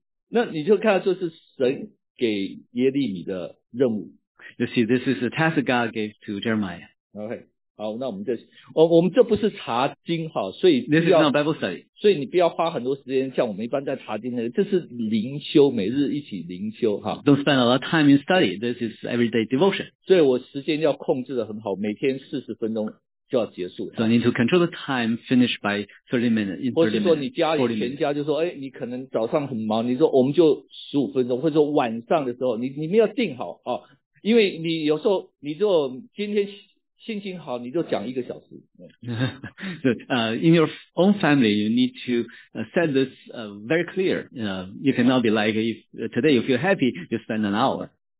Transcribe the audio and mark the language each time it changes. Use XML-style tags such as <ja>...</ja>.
<zh>那你就看这是神给耶利米的任务。</zh> <en>You see, this is the task God gave to Jeremiah. Okay.</en> <zh>好，那我们这不是查经哈，所以</zh> <en>This is not Bible study.</en> <zh>所以你不要花很多时间，像我们一般在查经的，这是灵修，每日一起灵修哈。</zh> <en>Don't spend a lot of time in study. This is everyday devotion.</en> <zh>所以我时间要控制的很好，每天40分钟。就要结束了。</zh> <en>So I need to control the time, finish by 30 minutes. 30 minutes</en> <zh>或是说你家里全家就说哎你可能早上很忙你说我们就15分钟或者说晚上的时候你们要定好啊、哦、因为你有时候你就今天心情好你就讲一个小时。</zh> <en>So, in your own family, you need to set this very clear. You cannot be like, if today you feel happy, you spend an hour.</en>